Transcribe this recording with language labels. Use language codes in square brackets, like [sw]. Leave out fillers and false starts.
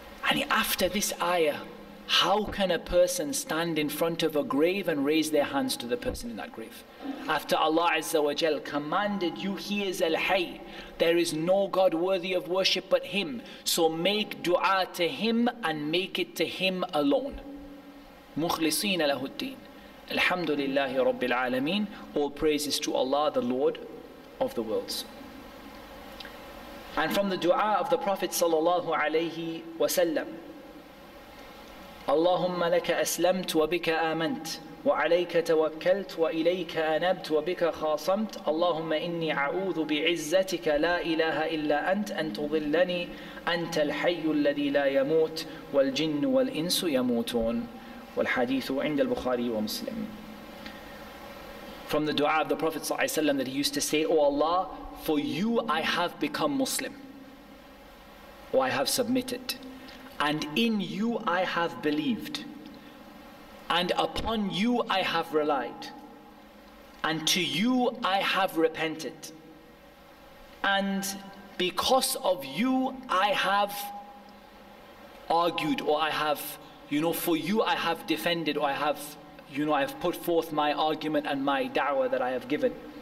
[en] And after this ayah, how can a person stand in front of a grave and raise their hands to the person in that grave? After Allah Azza wa Jal commanded you, He is Al-Hayy, there is no God worthy of worship but Him. So make dua to Him and make it to Him alone. [ar] مخلصين له الدين الحمد لله رب العالمين. [en] All praises to Allah, the Lord of the worlds. And from the dua of the Prophet sallallahu alayhi wasallam, [ar] اللهم لك أسلمت وبك آمنت وعليك توكلت وإليك أنبت وبك خاصمت اللهم إني أعوذ بعزتك لا إله إلا أنت أن تضلني أنت الحي الذي لا يموت والجن والإنس يموتون. والحديث عند البخاري ومسلم. [en] From the dua of the Prophet [ar] صلى الله عليه وسلم [en] that he used to say, O Allah, for you I have become Muslim, or I have submitted, and in you I have believed, and upon you I have relied, and to you I have repented, and because of you I have argued, or I have, you know, for you I have defended, or I have, you know, I have put forth my argument and my da'wah that I have given.